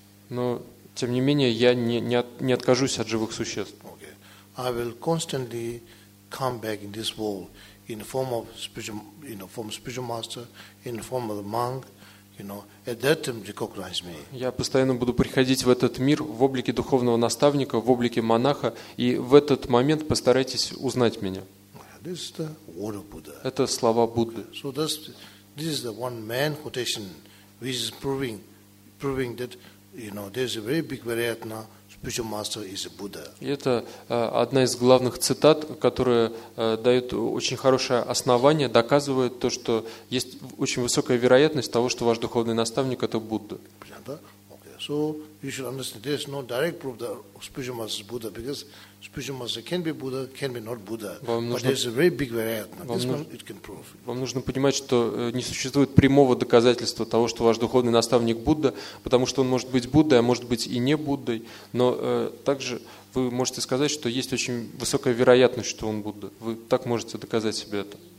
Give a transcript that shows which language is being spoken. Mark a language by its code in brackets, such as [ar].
[ru] Но, тем не менее, я не откажусь от живых существ. [en] Okay. I will constantly come back in this world in the form of spiritual, you know, form of spiritual master, in the form of the monk. You know, at that time recognize me. [ru] Я постоянно буду приходить в этот мир в облике духовного наставника, в облике монаха, и в этот момент постарайтесь узнать меня. [en] This is the word of Buddha. [ru] Это слова Будды. [en] So this is the one man quotation, which is proving that, you know, there's a very big variety. Spiritual master is a Buddha. [ru] Это одна из главных цитат, которая дает очень хорошее основание, доказывает то, что есть очень высокая вероятность того, что ваш духовный наставник это Будда. [en] Okay. So you should understand there's no direct proof that spiritual master is Buddha, because spiritual master can be Buddha, can be not Buddha. But there's a very big variety. This one it can prove. [ru] Вам нужно понимать, что не существует прямого доказательства того, что ваш духовный наставник Будда, потому что он может быть Буддой, а может быть и не Буддой. Но также вы можете сказать, что есть очень высокая вероятность, что он Будда. Вы так можете доказать себе это.